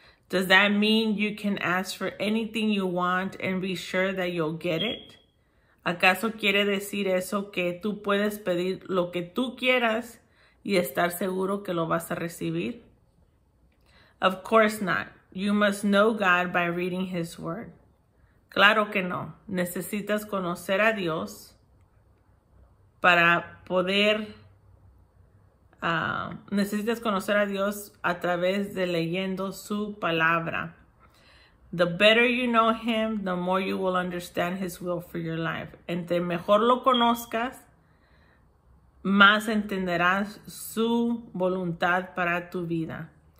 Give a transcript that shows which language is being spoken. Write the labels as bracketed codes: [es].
[en] Does that mean you can ask for anything you want and be sure that you'll get it? [es] ¿Acaso quiere decir eso que tú puedes pedir lo que tú quieras y estar seguro que lo vas a recibir? [en] Of course not. You must know God by reading His Word. [es] Claro que no. Necesitas conocer a Dios para poder... necesitas conocer a Dios a través de leyendo su palabra. [en] The better you know him, the more you will understand his will for your life. [es] Entre mejor lo conozcas, más entenderás su voluntad para tu vida.